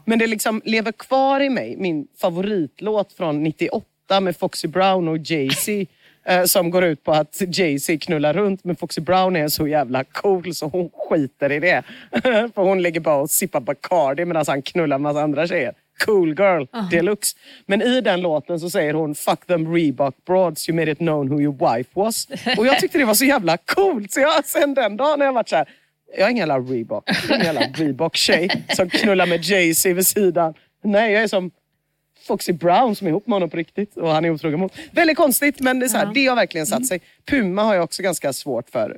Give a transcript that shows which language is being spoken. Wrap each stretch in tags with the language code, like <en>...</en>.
<sv>Men det liksom lever kvar i mig, min favoritlåt från 98 med Foxy Brown och Jay-Z. Som går ut på att Jay-Z knullar runt, men Foxy Brown är så jävla cool så hon skiter i det. För hon ligger bara och sippar Bacardi medan han knullar en massa andra tjejer.</sv> <en>Cool girl, deluxe. Men i den låten så säger hon fuck them Reebok broads, you made it known who your wife was.</en> <sv>Och jag tyckte det var så jävla coolt. Så jag sen den dagen när jag varit så här, jag är ingen jävla Reebok. Jag är ingen jävla Reebok-tjej som knullar med Jay-Z vid sidan. Nej, jag är som Foxy Brown som är ihop med honom på riktigt. Och han är otrogen mot. Väldigt konstigt, men det är så här, det har verkligen satt sig. Puma har jag också ganska svårt för.</sv>